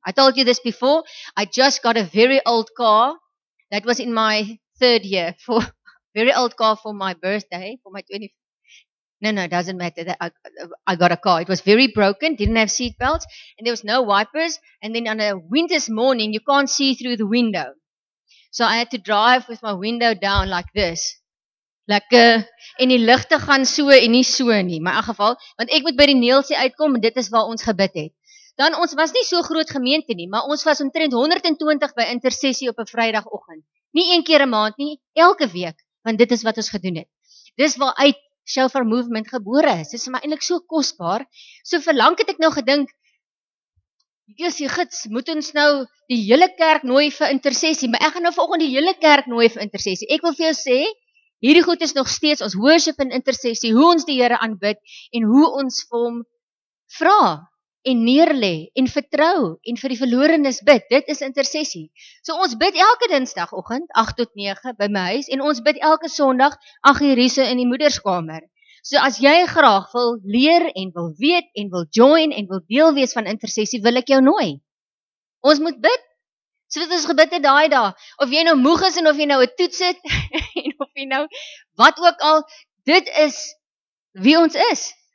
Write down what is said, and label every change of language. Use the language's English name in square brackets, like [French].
[English] I told you this before, I just got a very old car that was in my third year for very old car for my birthday, for my 20. No, doesn't matter. That I got a car. It was very broken, didn't have seat belts, and there was no wipers. And then on a winter's morning, you can't see through the window. So I had to drive with my window down like this. [Afrikaans] Like, en die ligte gaan so en nie so nie. Maar in geval, want ek moet by die Neelsie uitkom, en dit is waar ons gebid het. Dan, ons was nie so groot gemeente nie, maar ons was omtrent 120 by intercessie op 'n vrydagoggend. Nie een keer 'n maand nie, elke week, want dit is wat ons gedoen het. Dis waar uit Shofar Movement gebore is. Dit is maar eintlik so kosbaar. So verlang het ek nou gedink, Jesus, die gids, moet ons nou die hele kerk nooi vir intercessie, maar ek gaan nou vanoggend die hele kerk nooi vir intercessie. Ek wil vir jou sê, hierdie goed is nog steeds ons worship en intercessie, hoe ons die Here aanbid en hoe ons vir hom vra en neerlê en vertrou en vir die verlorenes bid. Dit is intercessie. So ons bid elke dinsdagoggend 8 tot 9 by my huis en ons bid elke sonderdag 8:00 hierso in die moederskamer. So as jy graag wil leer en wil weet en wil join en wil deel wees van intercessie, wil ek jou nooi. Ons moet bid. So dit ons gebid het daai dag, of jy nou moeg is en of jy nou 'n toets het en of jy nou wat ook al, dit is wie ons is.